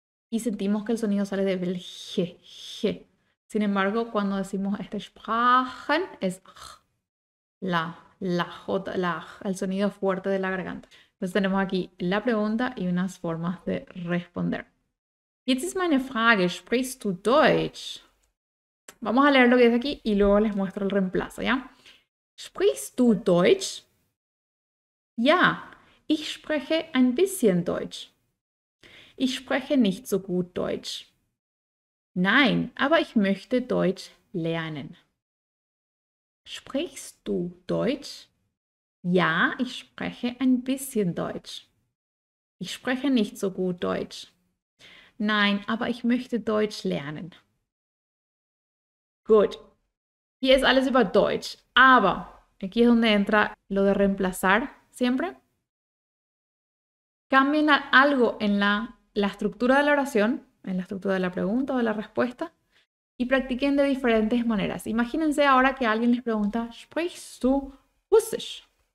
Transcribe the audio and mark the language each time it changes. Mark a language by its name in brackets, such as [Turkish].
[Spanish] Y sentimos que el sonido sale de belge, je. Sin embargo, cuando decimos este sprachen, es j, la j, la j, el sonido fuerte de la garganta. Entonces tenemos aquí la pregunta y unas formas de responder. [German] Jetzt ist meine Frage, sprichst du Deutsch? [Spanish] Vamos a leer lo que dice aquí y luego les muestro el reemplazo, ¿ya? [German] ¿Sprichst du Deutsch? Ja, ich spreche ein bisschen Deutsch. Ich spreche nicht so gut Deutsch. Nein, aber ich möchte Deutsch lernen. ¿Sprichst du Deutsch? Ja, ich spreche ein bisschen Deutsch. Ich spreche nicht so gut Deutsch. Nein, aber ich möchte Deutsch lernen. Gut. Hier ist alles über Deutsch. Aber, [Spanish] aquí es donde entra lo de reemplazar siempre. Cambien algo en la estructura de la oración, en la estructura de la pregunta o de la respuesta, y practiquen de diferentes maneras. Imagínense ahora que alguien les pregunta, [German] ¿Sprichst du Russisch?